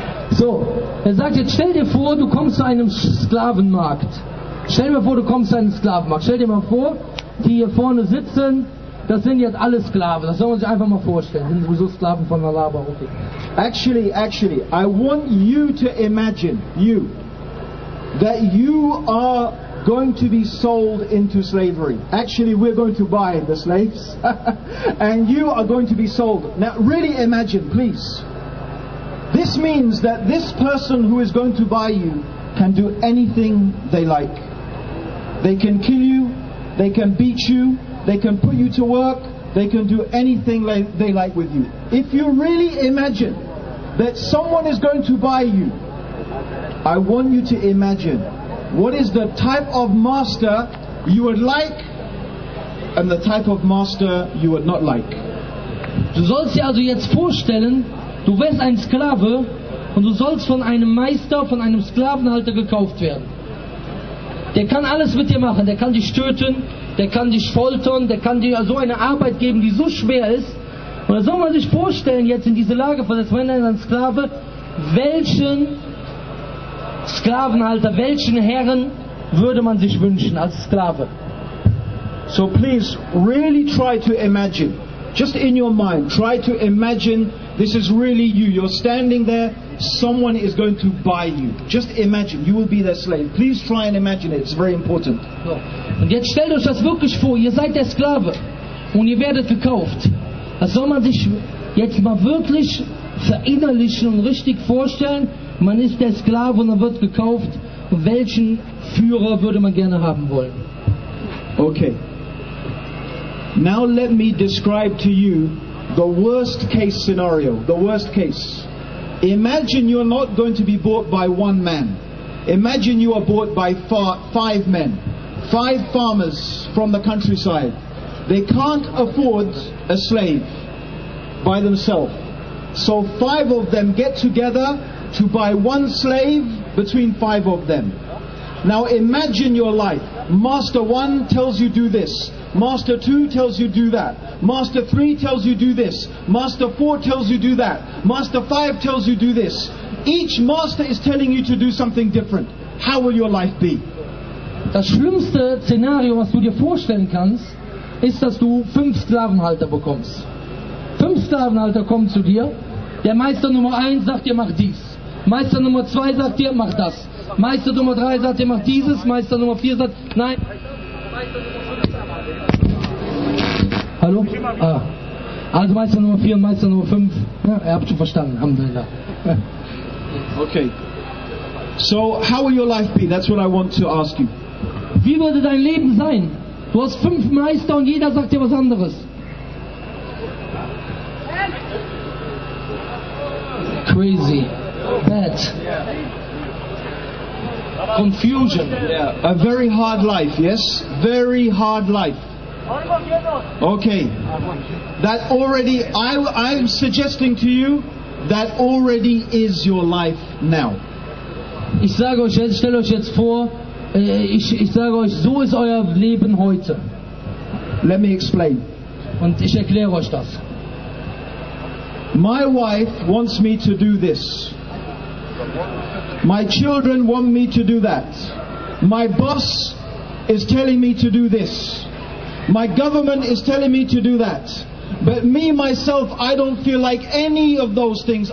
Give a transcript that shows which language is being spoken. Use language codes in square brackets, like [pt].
[de] So, er sagt jetzt, stell dir vor, du kommst zu einem Sklavenmarkt. Stell dir vor, du kommst zu einem Sklavenmarkt. Stell dir mal vor, die hier vorne sitzen, das sind jetzt alle Sklaven. Das soll man sich einfach mal vorstellen. Sind sowieso Sklaven von Allah, aber okay. [en] Actually, I want you to imagine, you, that you are going to be sold into slavery. Actually, we're going to buy the slaves. And you are going to be sold. Now, really imagine, please. This means that this person who is going to buy you can do anything they like. They can kill you, they can beat you, they can put you to work, they can do anything they like with you. If you really imagine that someone is going to buy you, I want you to imagine what is the type of master you would like and the type of master you would not like. [de] Du sollst dir also jetzt vorstellen, du wärst ein Sklave und du sollst von einem Meister, von einem Sklavenhalter gekauft werden. Der kann alles mit dir machen, der kann dich töten, der kann dich foltern, der kann dir so eine Arbeit geben, die so schwer ist. Und da soll man sich vorstellen, jetzt in diese Lage von des Männern als Sklave, welchen Sklavenhalter, welchen Herren würde man sich wünschen als Sklave? [en] So please, really try to imagine. Just in your mind, try to imagine this is really you. You're standing there, someone is going to buy you. Just imagine, you will be their slave. Please try and imagine it, it's very important. [de] Und jetzt stellt euch das wirklich vor, ihr seid der Sklave und ihr werdet gekauft. Das soll man sich jetzt mal wirklich verinnerlichen und richtig vorstellen. Man ist der Sklave und man wird gekauft. Welchen Führer würde man gerne haben wollen? [en] Okay. Now let me describe to you the worst case scenario. The worst case. Imagine you're not going to be bought by one man. Imagine you are bought by five men. Five farmers from the countryside. They can't afford a slave by themselves. So five of them get together to buy one slave between five of them. Now imagine your life. Master one tells you do this. Master 2 tells you do that. Master 3 tells you do this. Master 4 tells you do that. Master 5 tells you do this. Each master is telling you to do something different. How will your life be? [de] Das schlimmste Szenario, was du dir vorstellen kannst, ist, dass du 5 Sklavenhalter bekommst. 5 Sklavenhalter kommen zu dir. Der Meister Nummer 1 sagt dir, mach dies. Meister Nummer 2 sagt dir, mach das. Meister Nummer 3 sagt dir, mach dieses. Meister Nummer 4 sagt, nein. Hallo? Ah. Also Meister Nummer 4 und Meister Nummer 5. Ja, ihr habt schon verstanden. [ar] Alhamdulillah. [en] Okay. So, how will your life be? That's what I want to ask you. [de] Wie würde dein Leben sein? Du hast 5 Meister und jeder sagt dir was anderes. [en] Crazy. Bad. Confusion. A very hard life, yes? Very hard life. Okay, that already, I'm suggesting to you, that already is your life now. [de] Ich sage euch jetzt, stell euch jetzt vor, ich sage euch, so ist euer Leben heute. [en] Let me explain. [de] Und ich erkläre euch das. [en] My wife wants me to do this. My children want me to do that. My boss is telling me to do this. My government is telling me to do that. But me, myself, I don't feel like any of those things.